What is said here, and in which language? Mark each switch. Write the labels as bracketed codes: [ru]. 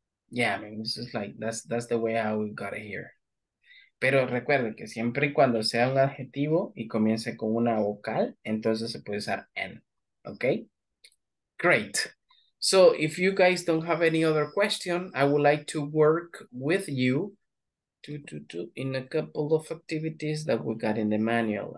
[en] Yeah, I mean, this is like, that's the way how we got it here. [es] Pero recuerde que siempre y cuando sea un adjetivo y comience con una vocal, entonces se puede usar an. [en] Okay? Great. So, if you guys don't have any other question, I would like to work with you in a couple of activities that we got in the manual.